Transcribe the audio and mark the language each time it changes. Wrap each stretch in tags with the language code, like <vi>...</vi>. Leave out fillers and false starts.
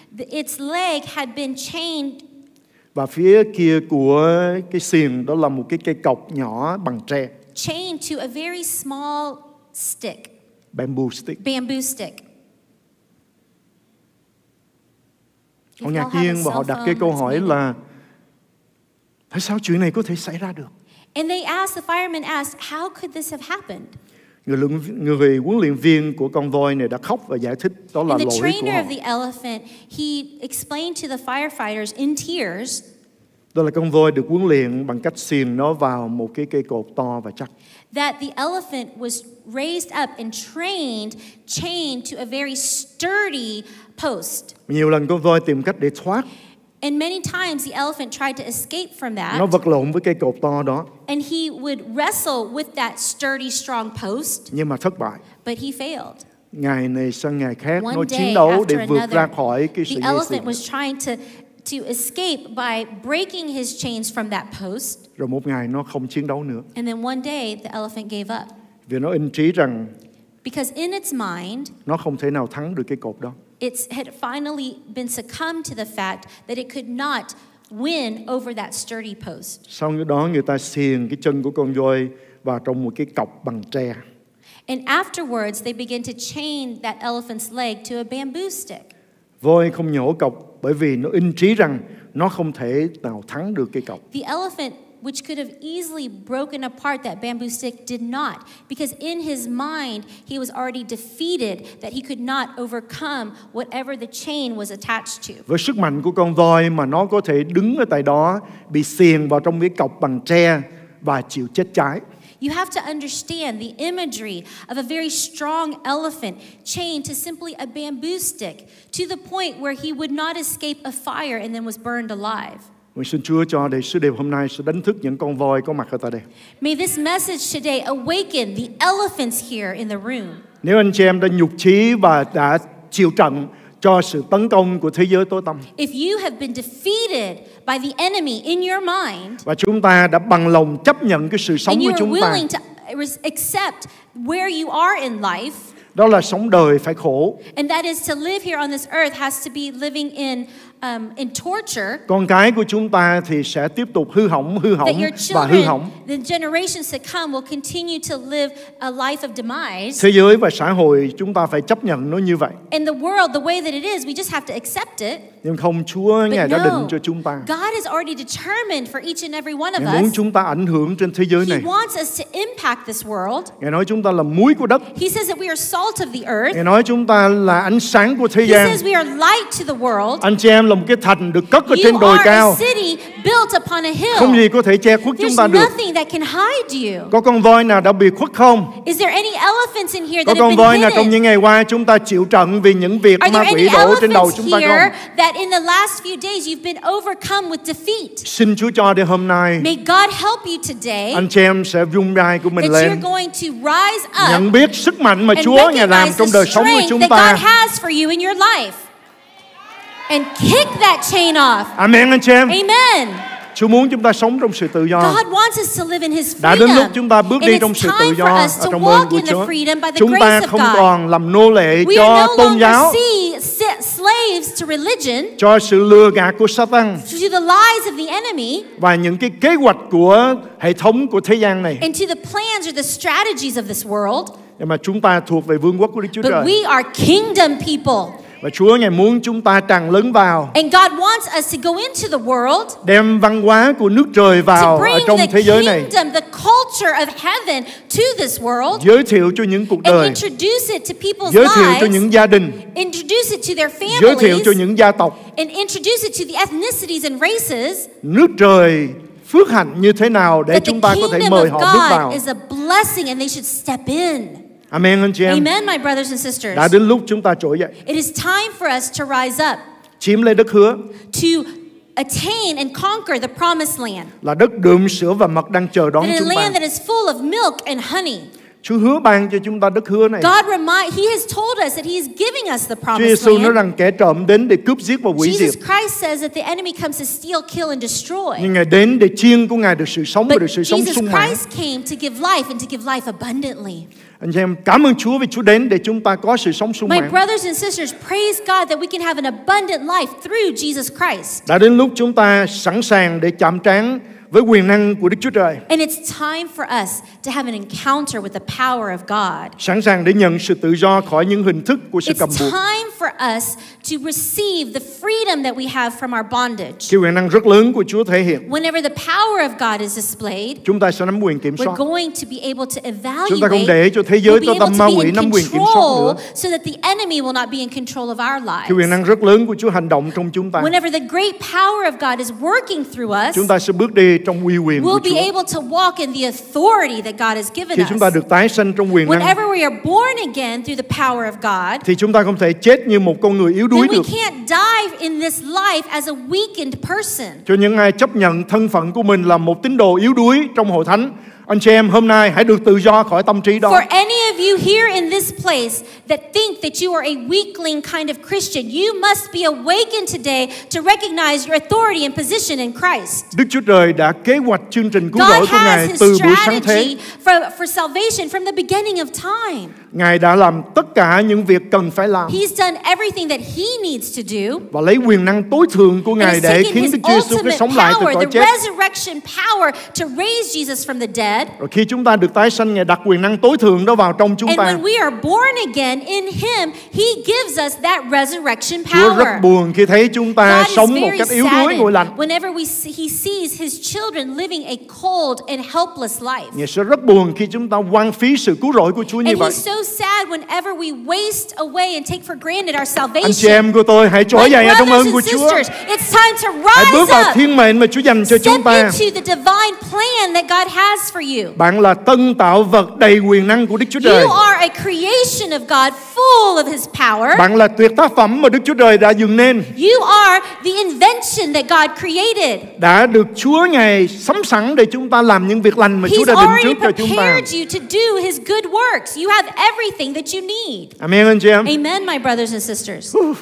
<en>Its leg had been chained.</en> <vi>Và phía kia của cái xiềng đó là một cái cây cọc nhỏ bằng tre.</vi> <en>Chained to a very small stick. Bamboo stick.</en> <vi>Họ ngạc nhiên và họ đặt cái câu hỏi là tại sao chuyện này có thể xảy ra được?</vi> <en>And they asked, the fireman asked, how could this have happened?</en> <vi>Người huấn luyện viên của con voi này đã khóc và giải thích đó là lỗi của họ.</vi> <en>And the trainer of the elephant, he explained to the firefighters in tears.</en> <vi>Đó là con voi được huấn luyện bằng cách xiềng nó vào một cái cây cột to và chắc.</vi> <en>That the elephant was raised up and trained, chained to a very sturdy post.</en> <vi>Nhiều lần con voi tìm cách để thoát.</vi> <en>And many times the elephant tried to escape from that.</en> <vi>Nó vật lộn với cây cột to đó.</vi> <en>And he would wrestle with that sturdy, strong post.</en> <vi>Nhưng mà thất bại.</vi> <en>But he failed.</en> <vi>Ngày này sang ngày khác, nó chiến đấu để vượt ra khỏi cái sự dây xiềng.</vi> <en>The elephant was trying to escape by breaking his chains from that post.</en> <vi>Rồi một ngày nó không chiến đấu nữa.</vi> <en>And then one day the elephant gave up.</en> <vi>Vì nó in trí rằng.</vi> <en>Because in its mind.</en> <vi>Nó không thể nào thắng được cái cột đó.</vi> <en>It had finally been succumbed to the fact that it could not win over that sturdy post.</en> <vi>Sau đó người ta xiềng cái chân của con voi vào trong một cái cọc bằng tre.</vi> <en>And afterwards they begin to chain that elephant's leg to a bamboo stick.</en> <vi>Voi không nhổ cọc bởi vì nó in trí rằng nó không thể nào thắng được cây cọc.</vi> <en>The elephant, which could have easily broken apart that bamboo stick, did not, because in his mind he was already defeated, that he could not overcome whatever the chain was attached to.</en> <vi>Với sức mạnh của con voi mà nó có thể đứng ở tại đó, bị xiềng vào trong cái cọc bằng tre và chịu chết cháy.</vi> <en>You have to understand the imagery of a very strong elephant chained to simply a bamboo stick to the point where he would not escape a fire and then was burned alive.</en> <vi>Nguyện xin Chúa cho để sứ điệp hôm nay sẽ đánh thức những con voi có mặt ở tại đây.</vi> <en>May this message today awaken the elephants here in the room.</en> <vi>Nếu anh chị em đã nhục chí và đã chịu trận cho sự tấn công của thế giới tối tăm.</vi> <en>If you have been defeated by the enemy in your mind.</en> <vi>Và chúng ta đã bằng lòng chấp nhận cái sự sống của chúng ta.</vi> <en>And you're willing to accept where you are in life.</en> <vi>Đó là sống đời phải khổ.</vi> <en>And that is to live here on this earth has to be living in torture.</en> <vi>Con cái của chúng ta thì sẽ tiếp tục hư hỏng</vi> <en>that your children,</en> <vi>và hư hỏng.</vi> <en>The generations to come will continue to live a life of demise.</en> <vi>Thế giới và xã hội chúng ta phải chấp nhận nó như vậy.</vi> <en>And the world, the way that it is, we just have to accept it.</en> <vi>Nhưng không, Chúa Ngài đã định cho chúng ta.</vi> <en>God has already determined for each and every one of us.</en> <vi>Ngài muốn chúng ta ảnh hưởng trên thế giới này.</vi> <en>He wants us to impact this world.</en> <vi>Ngài nói chúng ta là muối của đất.</vi> <en>He says that we are salt of the earth.</en> <vi>Ngài nói chúng ta là ánh sáng của thế gian.</vi> <en>He says we are light to the world.</en> <vi>Anh chị em là một cái thành được cất ở trên đồi cao.</vi> <en>You are a city built upon a hill.</en> <vi>Không gì có thể che khuất chúng ta được.</vi> <en>There's nothing that can hide you.</en> <vi>Có con voi nào đã bị khuất không?</vi> <en>Is there any elephants in here that have been hidden?</en> <vi>Có con voi nào trong những ngày qua chúng ta chịu trận vì những việc ma quỷ đổ trên đầu chúng ta không?</vi> <en>That in the last few days you've been overcome with defeat.</en> <vi>Xin Chúa cho đến hôm nay.</vi> <en>May God help you today.</en> <vi>Anh chị em sẽ vung vai của mình lên.</vi> <en>You're going to rise up.</en> <vi>Nhận biết sức mạnh mà Chúa Ngài làm trong đời sống của chúng ta.</vi> <en>That God has for you in your life. And kick that chain off.</en> <vi>Amen, anh chị em.</vi> <en>Amen.</en> <vi>Chúa muốn chúng ta sống trong sự tự do.</vi> <en>God wants us to live in His freedom.</en> <vi>Đã đến lúc chúng ta bước đi trong sự tự do ở trong ơn của Chúa. Chúng ta không còn làm nô lệ cho tôn giáo.</vi> <en>Slaves to religion,</en> <vi>cho sự lừa gạt của Satan,</vi> <en>to the lies of the enemy,</en> <vi>và những cái kế hoạch của hệ thống của thế gian này,</vi> <en>and to the plans or the strategies of this world.</en> <vi>Nhưng mà chúng ta thuộc về vương quốc của Đức Chúa Trời.</vi> <en>But we are kingdom people.</en> <vi>Và Chúa Ngài muốn chúng ta tràn lớn vào.</vi> <en>And God wants us to go into the world.</en> <vi>Đem văn hóa của nước trời vào ở trong thế giới này.</vi> <en>To bring the culture of heaven to this world.</en> <vi>Giới thiệu cho những cuộc đời.</vi> <en>And introduce it to people's lives.</en> <vi>Giới thiệu cho những gia đình.</vi> <en>Introduce it to their families.</en> <vi>Giới thiệu cho những gia tộc.</vi> <en>And introduce it to the ethnicities and races.</en> <vi>Nước trời phước hạnh như thế nào để chúng ta có thể mời họ bước vào.</vi> <en>Is a blessing and they should step in.</en> <vi>Amen, anh chị em.</vi> <en>Amen, my brothers and sisters.</en> <vi>Đã đến lúc chúng ta trỗi dậy.</vi> <en>It is time for us to rise up.</en> <vi>Chiếm lấy đất hứa.</vi> <en>To attain and conquer the promised land.</en> <vi>Là đất đượm sữa và mật đang chờ đón chúng ta.</vi> <en>A land that is full of milk and honey.</en> <vi>Chúa hứa ban cho chúng ta đất hứa này.</vi> <en>God reminds, He has told us that He is giving us the promised land.</en> <vi>Jesus nói rằng kẻ trộm đến để cướp giết và hủy diệt.</vi> <en>Jesus Christ says that the enemy comes to steal, kill and destroy.</en> <vi>Nhưng Ngài đến để chiên của Ngài được sự sống và được sự sống sung mãn.</vi> <en>But Jesus Christ came to give life and to give life abundantly.</en> <vi>Anh em cảm ơn Chúa vì Chúa đến để chúng ta có sự sống sung mãn.</vi> <en>My brothers and sisters, praise God that we can have an abundant life through Jesus Christ.</en> <vi>Đã đến lúc chúng ta sẵn sàng để chạm trán với quyền năng của Đức Chúa Trời.</vi> <en>And it's time for us to have an encounter with the power of God.</en> <vi>Sẵn sàng để nhận sự tự do khỏi những hình thức của sự cầm buộc.</vi> <en>It's time for us to receive the freedom that we have from our bondage.</en> <vi>Khi quyền năng rất lớn của Chúa thể hiện.</vi> <en>Whenever the power of God is displayed,</en> <vi>chúng ta sẽ nắm quyền kiểm soát.</vi> <en>We're going to be able to evaluate.</en> <vi>Chúng ta không để cho thế giới cho tâm ma quỷ nắm quyền kiểm soát nữa.</vi> <en>So that the enemy will not be in control of our lives.</en> <vi>Khi quyền năng rất lớn của Chúa hành động trong chúng ta.</vi> <en>Whenever the great power of God is working through us,</en> <vi>chúng ta sẽ bước đi trong uy quyền</vi> <en>we'll</en> <vi>của Chúa.</vi> <en>Be able to walk in the authority that God has given us.</en> <vi>Khi chúng ta được tái sinh trong quyền năng.</vi> <en>Whenever we are born again through the power of God,</en> <vi>thì chúng ta không thể chết như một con người yếu đuối được.</vi> <en>We can't die in this life as a weakened person.</en> <vi>Cho những ai chấp nhận thân phận của mình là một tín đồ yếu đuối trong hội thánh, anh chị em hôm nay hãy được tự do khỏi tâm trí đó.</vi> <en>For any of you here in this place that think that you are a weakling kind of Christian, you must be awakened today to recognize your authority and position in Christ.</en> <vi>Đức Chúa Trời đã kế hoạch chương trình cứu rỗi của Ngài từ buổi sáng thế.</vi> <en>For salvation from the beginning of time.</en> <vi>Ngài đã làm tất cả những việc cần phải làm.</vi> <en>He's done everything that he needs to do.</en> <vi>Và lấy quyền năng tối thượng của Ngài để khiến Đức Chúa Jesus phải sống lại từ cõi chết.</vi> <en>The resurrection power to raise Jesus from the dead.</en> <vi>Rồi khi chúng ta được tái sinh, Ngài đặt quyền năng tối thượng đó vào trong chúng ta.</vi> <en>And when we are born again in him, he gives us that resurrection power.</en> <vi>Chúa rất buồn khi thấy chúng ta sống một cách yếu đuối ngồi lạnh.</vi> <en>Whenever he sees his children living a cold and helpless life.</en> <vi>Ngài sẽ rất buồn khi chúng ta hoang phí sự cứu rỗi của Chúa như vậy.</vi> <en>Sad whenever we waste away and take for granted our salvation.</en> <vi>Anh chị em của tôi hãy trỗi dậy trong ơn của Chúa.</vi> <en>It's time to rise up.</en> <vi>Hãy bước vào thiên mệnh mà Chúa dành cho chúng ta.</vi> <en>Step into the divine plan that God has for you.</en> <vi>Bạn là tân tạo vật đầy quyền năng của Đức Chúa Trời.</vi> <en>You are a creation of God, full of His power.</en> <vi>Bạn là tuyệt tác phẩm mà Đức Chúa Trời đã dựng nên.</vi> <en>You are the invention that God created.</en> <vi>Đã được Chúa Ngài sắm sẵn để chúng ta làm những việc lành mà Chúa đã định trước cho chúng ta.</vi> <en>He's already prepared you to do His good works. You have everything that you need.</en> <vi>Amen, anh chị em.</vi> <en>Amen, my brothers and sisters.</en>